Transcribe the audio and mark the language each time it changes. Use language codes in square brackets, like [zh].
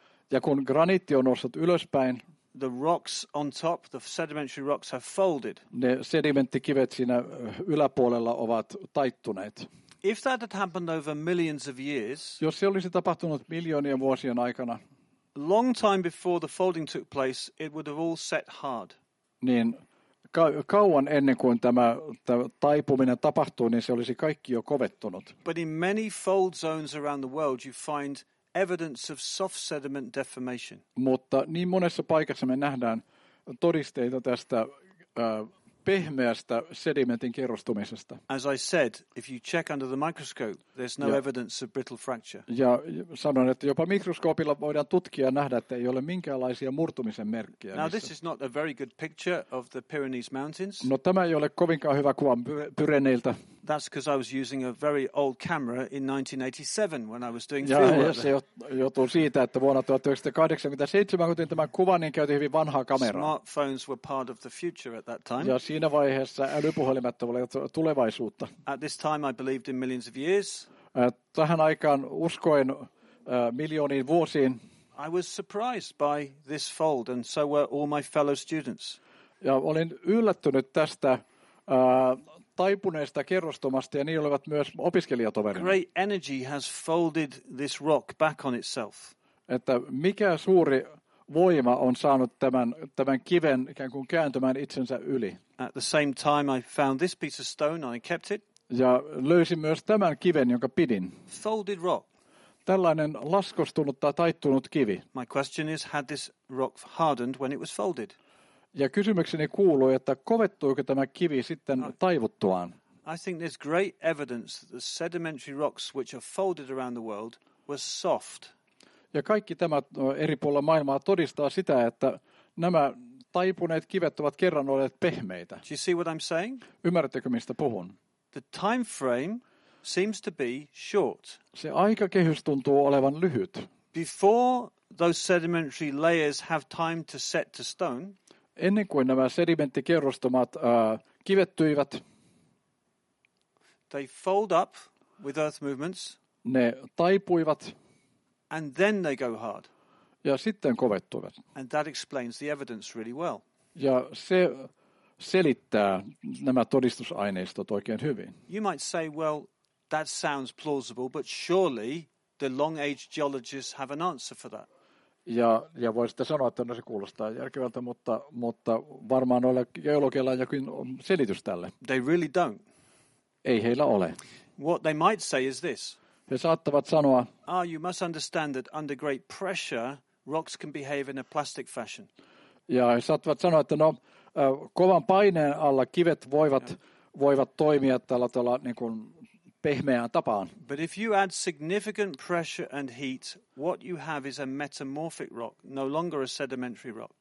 [fi] ja kun graniitti on noussut ylöspäin, [en] the rocks on top, the sedimentary rocks have folded. [fi] Ne sedimenttikivet siinä yläpuolella ovat taittuneet. [en] If that had happened over millions of years, [fi] jos se olisi tapahtunut miljoonien vuosien aikana, [en] long time before the folding took place, it would have all set hard. [fi] Niin kauan ennen kuin tämä taipuminen tapahtui, niin se olisi kaikki jo kovettunut. [en] But in many fold zones around the world, you find evidence of soft sediment deformation. [fi] Mutta niin monessa paikassa me nähdään todisteita tästä pehmeästä sedimentin kerrostumisesta. [en] As I said, if you check under the microscope, there's no evidence of brittle fracture. [fi] Ja sanon, että jopa mikroskoopilla voidaan tutkia ja nähdä, että ei ole minkäänlaisia murtumisen merkkejä. [en] Now, this is not a very good picture of the Pyrenees Mountains. [fi] No, tämä ei ole kovinkaan hyvä kuva Pyreneiltä. [en] That's because I was using a very old camera in 1987 when I was doing fieldwork. [fi] Ja se johtuu siitä, että vuonna 1987, kun otin tämän kuvan, niin käytin hyvin vanhaa kameraa. [en] Smartphones were part of the future at that time. [fi] Ja siinä vaiheessa älypuhelimet olivat tulevaisuutta. [en] At this time I believed in millions of years. [fi] Tähän aikaan uskoin miljooniin vuosiin. [en] I was surprised by this fold and so were all my fellow students. [fi] Ja olin yllättynyt tästä taipuneesta kerrostumasta ja niin olivat myös opiskelijatoverini. [en] Great energy has folded this rock back on itself. [fi] Että mikä suuri voima on saanut tämän kiven ikään kuin kääntymään itsensä yli. [en] At the same time I found this piece of stone and I kept it. [fi] Ja löysin myös tämän kiven, jonka pidin. [en] Folded rock. [fi] Tällainen laskostunut tai taittunut kivi. [en] My question is, had this rock hardened when it was folded? [fi] Ja kysymykseni kuuluu, että kovettuiko tämä kivi sitten taivuttuaan? [en] I think there's great evidence that the sedimentary rocks which are folded around the world were soft. [fi] Ja kaikki tämä eri puolilla maailmaa todistaa sitä, että nämä taipuneet kivet ovat kerran olleet pehmeitä. [en] Do you see what I'm saying? [fi] Ymmärrättekö, mistä puhun? [en] The time frame seems to be short. [fi] Se aikakehys tuntuu olevan lyhyt. [en] Before those sedimentary layers have time to set to stone. [fi] ennen kuin nämä sedimenttikerrostumat kivettyivät, [en] they fold up with earth movements, [fi] ne taipuivat, [en] and then they go hard. [fi] Ja sitten kovettuivat. [en] And that explains the evidence really well. [fi] Ja se selittää nämä todistusaineistot oikein hyvin. [en] You might say, well, that sounds plausible, but surely the long-age geologists have an answer for that. [fi] Ja voisitte sanoa, että no, se kuulostaa järkevältä, mutta varmaan noilla geologeilla on jokin selitys tälle. [en] They really don't. [fi] Ei heillä ole. [en] What they might say is this. [fi] He saattavat sanoa. [en] Ah, you must understand that under great pressure, rocks can behave in a plastic fashion. [fi] Ja he saattavat sanoa, että no, kovan paineen alla kivet voivat toimia tällä tavalla niin kuin pehmeään tapaan. [en] But if you add significant pressure and heat, what you have is a metamorphic rock, no longer a sedimentary rock.